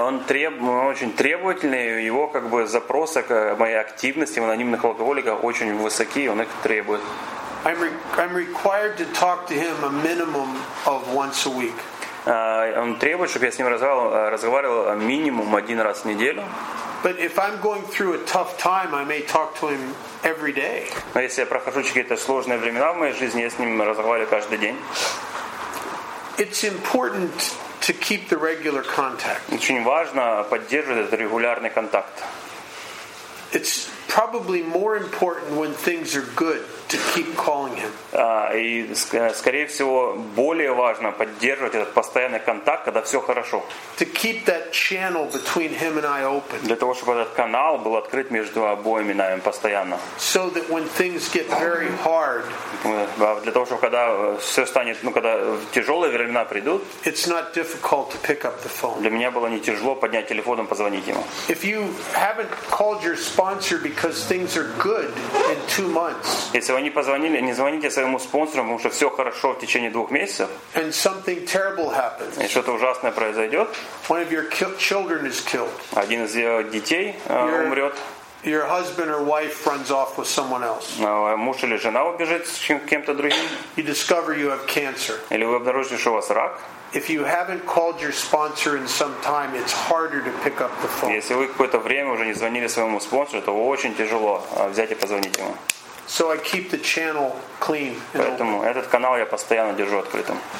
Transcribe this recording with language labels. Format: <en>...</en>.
<ru>Он очень требовательный. Его как бы запросы к моей активности в анонимных алкоголиках очень высоки. Он их требует.</ru> <en>I'm required to talk to him a minimum of once a week.</en> <ru>Он требует, чтобы я с ним разговаривал минимум один раз в неделю.</ru> <en>But if I'm going through a tough time, I may talk to him every day.</en> <ru>Но если я прохожу какие-то сложные времена в моей жизни, я с ним разговариваю каждый день.</ru> <en>It's important to keep the regular contact.</en> <ru>Очень важно поддерживать этот регулярный контакт.</ru> <en>It's probably more important when things are good to keep calling him.</en> <ru>И скорее всего более важно поддерживать этот постоянный контакт, когда все хорошо.</ru> <en>To keep that channel between him and I open.</en> <ru>Для того, чтобы этот канал был открыт между обоими нами постоянно.</ru> <en>So that when things get very hard.</en> <ru>Для того, чтобы когда все станет, когда тяжелые времена придут.</ru> <en>It's not difficult to pick up the phone.</en> <ru>Для меня было не тяжело поднять телефон и позвонить ему.</ru> <en>If you haven't called your sponsor because things are good in 2 months.</en> <ru>Если вы не позвонили, не звоните своему спонсору, потому что все хорошо в течение 2 месяцев.</ru> <en>And something terrible happens.</en> <ru>И что-то ужасное произойдет.</ru> <en>One of your children is killed.</en> <ru>Один из детей умрет.</ru> <en>Your husband or wife runs off with someone else.</en> <ru>Муж или жена убежит с кем-то другим.</ru> <en>You discover you have cancer.</en> <ru>Или вы обнаружите, что у вас рак.</ru> <en>If you haven't called your sponsor in some time, it's harder to pick up the phone.</en> <ru>Если вы какое-то время уже не звонили своему спонсору, то очень тяжело взять и позвонить ему.</ru> <en>So I keep the channel clean.</en> <ru>Поэтому этот канал я постоянно держу открытым.</ru>